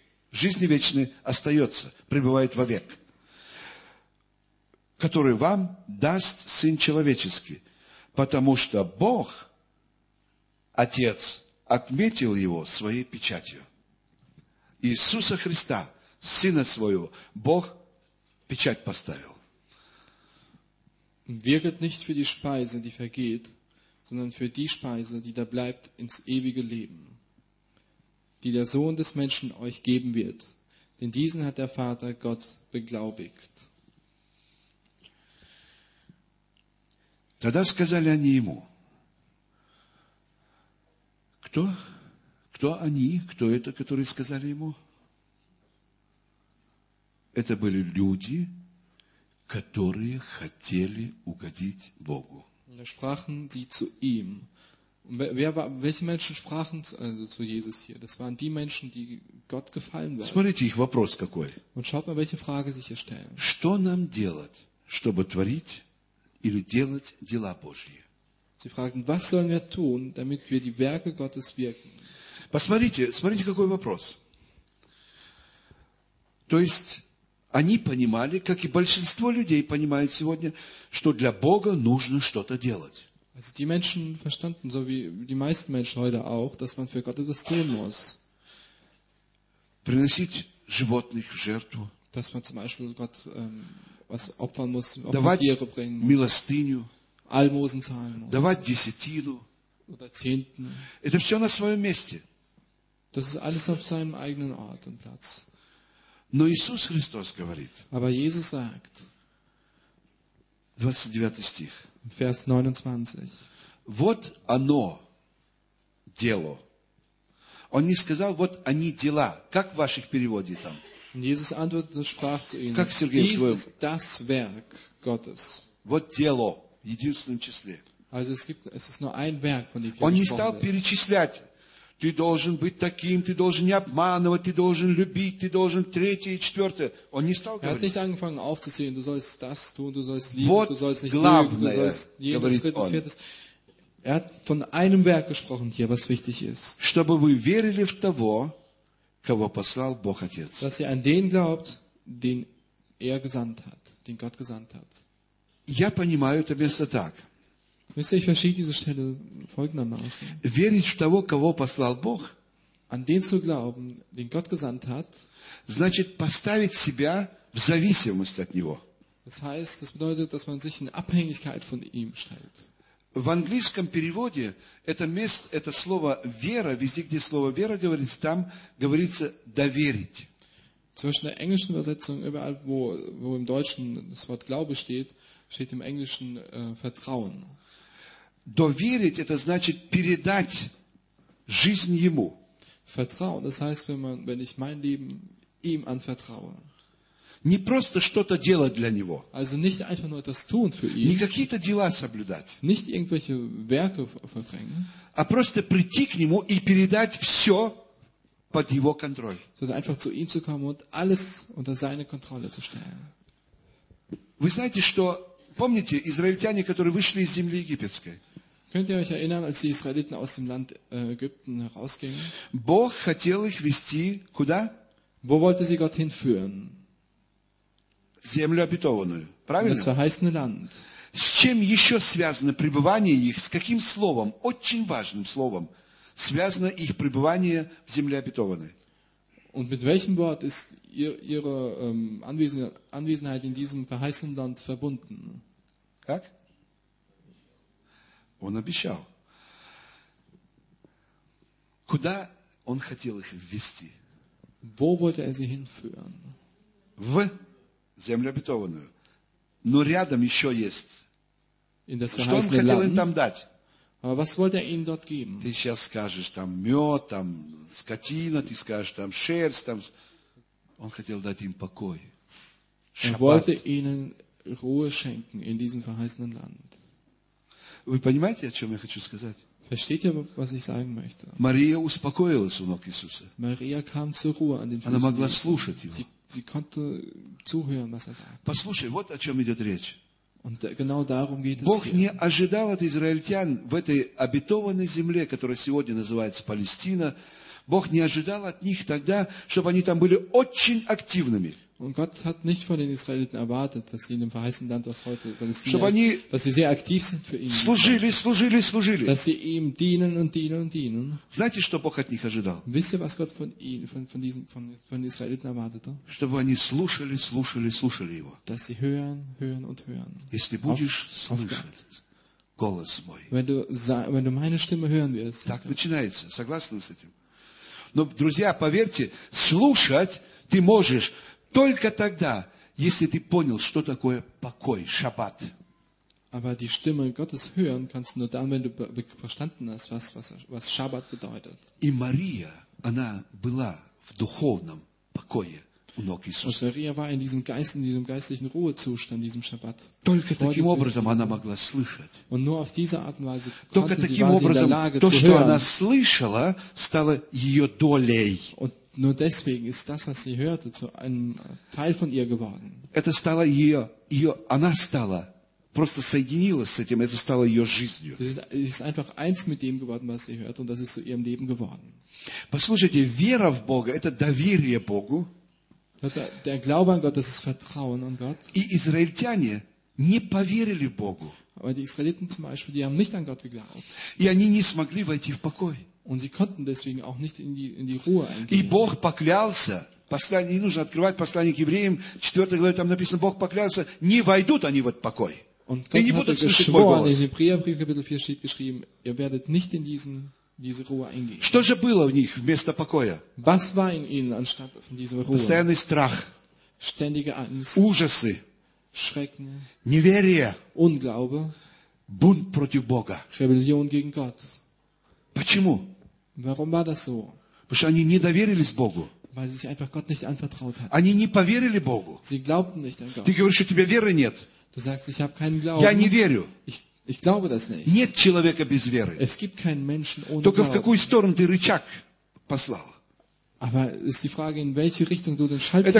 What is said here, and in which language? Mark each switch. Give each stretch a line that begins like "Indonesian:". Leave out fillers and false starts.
Russian: жизни вечной остается, пребывает вовек, который вам даст Сын Человеческий, потому что Бог, Отец, отметил его своей печатью. Иисуса Христа, Сына Своего, Бог печать поставил.
German: Wirket nicht für die Speise, die vergeht, sondern für die Speise, die da bleibt ins ewige Leben, die der Sohn des Menschen euch geben wird. Denn diesen hat der Vater Gott beglaubigt.
Russian: Тогда сказали они ему, кто они, кто это, которые сказали ему? Это были люди, которые хотели угодить Богу.
German: Und sprachen sie zu ihm. Welche Menschen sprachen also zu Jesus hier? Das waren die Menschen, die Gott gefallen wollten.
Russian: Смотрите, их вопрос какой.
German: Und schaut mal, welche Frage sich hier stellen.
Russian: Что нам делать, чтобы творить или делать дела Божьи?
German: Sie fragen, was sollen wir tun, damit wir die Werke Gottes wirken?
Russian: Посмотрите, какой вопрос. То есть, они понимали, как и большинство людей понимают сегодня, что для Бога нужно что-то делать.
German: Also die Menschen verstanden, so wie die meisten Menschen heute auch, dass man für Gott etwas tun muss.
Russian: Приносить животных в жертву.
German: Dass man zum Beispiel Gott was opfern muss, Opfer Tiere bringen muss.
Russian: Милостыню.
German: Almosen zahlen muss.
Russian: Давать десятину.
German: Oder Zehnten.
Russian: Это все на своем месте.
German: Das ist alles auf seinem eigenen Ort und Platz.
Russian: Но Иисус Христос говорит,
German: aber Jesus sagt,
Russian: 29 стих,
German: Vers 29,
Russian: вот оно, дело. Он не сказал, вот они дела. Как в ваших переводе там?
German: Jesus antwortete und sprach zu ihnen,
Russian: как Сергей,
German: dies ist das Werk Gottes.
Russian: Вот дело, в единственном числе.
German: Also es ist nur ein Werk von dem,
Russian: он не стал перечислять. Ты должен быть таким, ты должен не обманывать, ты должен любить, ты должен третье и четвертое. Он не стал говорить.
German: Er hat nicht angefangen aufzusehen, du sollst das tun, du sollst lieben,
Russian: вот
German: du sollst nicht lügen, du sollst jedes drittes, viertes. Er hat von einem Werk gesprochen hier, was wichtig ist.
Russian: Чтобы вы верили в того, кого послал Бог Отец.
German: Dass ihr an den glaubt, den er gesandt hat, den Gott gesandt hat.
Russian: Я понимаю это место так.
German: Wisst ihr, ich verstehe diese Stelle folgendermaßen.
Russian: Верить в того, кого послал Бог,
German: an den zu glauben, den Gott gesandt hat,
Russian: значит поставить себя в зависимость от него.
German: Das heißt, das bedeutet, dass man sich in Abhängigkeit von ihm stellt.
Russian: В английском переводе это слово вера, везде, где слово вера говорится, там говорится доверить.
German: Zwischen der englischen Übersetzung, überall, wo im Deutschen das Wort Glaube steht, steht im Englischen Vertrauen.
Russian: Доверить – это значит передать жизнь Ему.
German: Vertrauen – das heißt, wenn ich mein Leben ihm anvertraue.
Russian: Не просто что-то делать для Него.
German: Also nicht einfach nur etwas tun für ihn.
Russian: Не какие-то дела соблюдать.
German: Nicht irgendwelche Werke verbringen.
Russian: А просто прийти к Нему и передать все под Его контроль.
German: Sondern einfach zu ihm zu kommen und alles unter seine Kontrolle zu stellen.
Russian: Вы знаете, что помните, израильтяне, которые вышли из земли египетской?
German: Könnt ihr euch erinnern, als die Israeliten aus dem Land Ägypten herausgingen?
Russian: Бог хотел их вести куда?
German: Wo wollte sie Gott hinführen?
Russian: Землю обетованную, правильно?
German: Das verheißene Land.
Russian: С чем еще связано пребывание их? С каким словом, очень важным словом, связано их пребывание в земле обетованной?
German: Und mit welchem Wort ist ihre Anwesenheit in diesem verheißenen Land verbunden?
Russian: Как? Он обещал. Куда он хотел их ввести?
German: Wo wollte er sie hinführen?
Russian: В землю обетованную. Но рядом еще есть.
German: In das verheißene Land.
Russian: Что он хотел им там дать?
German: Aber was wollte er ihnen dort geben?
Russian: Ты сейчас скажешь, там мед, там скотина, ты скажешь, там шерсть, там... Он хотел дать им покой. Шаббат.
German: Er wollte ihnen Ruhe schenken in diesem verheißenen Land.
Russian: Вы понимаете, о чем я хочу сказать?
German: Versteht ihr, was ich sagen möchte?
Russian: Мария успокоилась у ног Иисуса.
German: Maria kam zur Ruhe an den Füßen.
Russian: Она могла слушать его.
German: Sie konnte zuhören, was er sagt.
Russian: Послушай, вот о чем идет речь.
German: Und genau darum geht es.
Russian: Бог не ожидал от израильтян в этой обетованной земле, которая сегодня называется Палестина, Бог не ожидал от них тогда, чтобы они там были очень активными.
German: Und Gott hat nicht von den Israeliten erwartet, dass sie in dem verheißenen Land, was heute Palästina ist, dass sie sehr aktiv sind für ihn.
Russian: Служили.
German: Dass sie ihm dienen und dienen und dienen.
Russian: Знаете, что Бог от них ожидал?
German: Wisst ihr, was Gott von den Israeliten erwartete?
Russian: Чтобы они слушали его.
German: Dass sie hören und hören.
Russian: Если будешь слушать голос мой.
German: Wenn du meine Stimme hören wirst.
Russian: Так начинается, согласны с этим? Но, друзья, поверьте, слушать ты можешь. Только тогда, если ты понял, что такое покой, шаббат.
German: Aber die Stimme Gottes hören kannst du nur dann, wenn du verstanden hast, was Schabbat bedeutet.
Russian: И Мария, она была в духовном покое у ног Иисуса.
German: Мария war in diesem Geist, in diesem geistlichen Ruhezustand, diesem Schabbat.
Russian: Только таким образом она могла слышать.
German: Und nur auf diese Art und Weise
Russian: Только таким образом то, что она слышала, стало ее долей.
German: Nur deswegen ist das, was sie hörte, zu einem Teil von ihr geworden.
Russian: Это стало ее, она стала, просто соединилась с этим, это стало ее жизнью.
German: Sie ist einfach eins mit dem geworden, was sie hört, und das ist zu ihrem Leben geworden.
Russian: Послушайте, вера в Бога, это доверие Богу.
German: Der Glaube an Gott, das ist Vertrauen an Gott.
Russian: И израильтяне не поверили Богу.
German: Aber die Israeliten zum Beispiel, die haben nicht an Gott geglaubt.
Russian: И они не смогли войти в покой.
German: Und sie konnten deswegen auch nicht in die Ruhe eingehen.
Russian: И Бог поклялся, послание, не нужно открывать послание к евреям, 4 главе там написано, Бог поклялся, не войдут они в этот покой.
German: Und Gott hat
Russian: будут слышать мой голос.
German: In Hebräerbrief, Kapitel 4, steht geschrieben, ihr werdet nicht in diese Ruhe eingehen.
Russian: Что же было в них вместо покоя?
German: Was war in ihnen anstatt von dieser Ruhe?
Russian: Постоянный страх.
German: Ständige Angst.
Russian: Ужасы.
German: Schrecken.
Russian: Неверие.
German: Unglaube.
Russian: Бунт против Бога.
German: Rebellion gegen Gott.
Russian: Почему?
German: Warum war das so?
Russian: Потому что они не доверились Богу.
German: Weil sie sich einfach Gott nicht anvertraut hatten.
Russian: Они не поверили Богу.
German: Sie glaubten nicht an Gott.
Russian: Ты говоришь, что у тебя веры нет.
German: Du sagst, ich habe keinen Glauben.
Russian: Я не верю.
German: Ich glaube das nicht.
Russian: Нет человека без веры.
German: Es gibt keinen Menschen ohne Glauben.
Russian: Только в какую сторону ты рычаг послал?
German: Aber ist die Frage, in welche Richtung du den Schalthebel